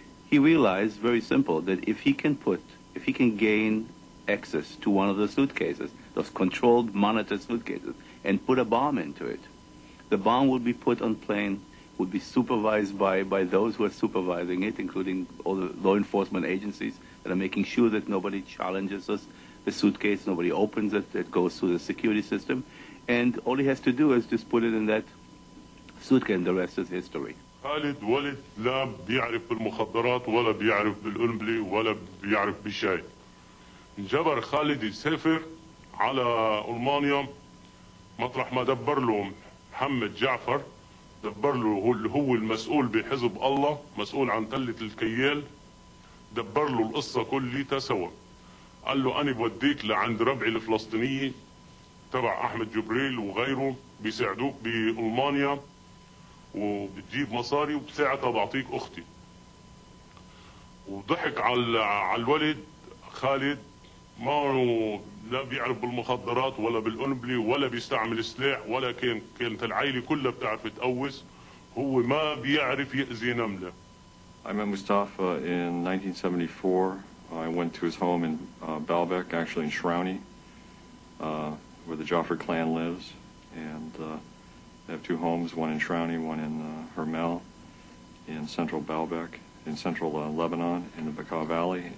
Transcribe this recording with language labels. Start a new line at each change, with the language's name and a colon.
English: He realized, very simple, that if he can gain access to one of the suitcases, those controlled monitored suitcases, and put a bomb into it, the bomb would be put on plane, would be supervised by those who are supervising it, including all the law enforcement agencies that are making sure that nobody challenges us, the suitcase, nobody opens it, it goes through the security system, and all he has to do is just put it in that suitcase, and the rest is history.
Arabic: خالد ولد لا بيعرف بالمخدرات ولا بيعرف بالأنبلي ولا بيعرف بشيء. جبر خالد يسافر على ألمانيا مطرح ما دبر له محمد جعفر, دبر له اللي هو المسؤول بحزب الله, مسؤول عن تلة الكيال, دبر له القصة كلها سوا. قال له أنا بوديك لعند ربعي الفلسطيني تبع أحمد جبريل وغيره, بيساعدوك بألمانيا وبتجيب مصاري وبساعتها بعطيك أختي. وضحك على الولد خالد, ما هو لا بيعرف بالمخدرات ولا بالأنبلي ولا بيستعمل سلاح, ولا كانت العيلة كلها بتعرف تقوس, هو ما بيعرف يأذي نملة.
English: I met Mustafa in 1974. I went to his home in Baalbek, actually in Shrauni, where the Jaffer clan lives. And they have two homes, one in Shrauni, one in Hermel, in central Baalbek, in central Lebanon, in the Bekaa Valley.